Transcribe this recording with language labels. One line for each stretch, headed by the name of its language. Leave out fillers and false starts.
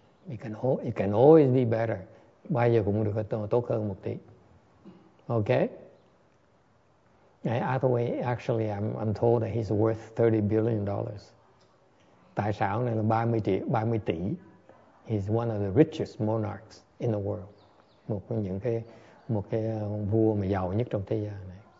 English: It can always be better.
Vietnamese: Bây giờ cũng được tốt hơn một tí.
English: Okay? Atherway, actually, I'm told that he's worth $30 billion.
Vietnamese: Tài sản này là 30 tỷ.
English: He's one of the richest monarchs in the world.
Vietnamese: Một cái vua mà giàu nhất trong thế giới này.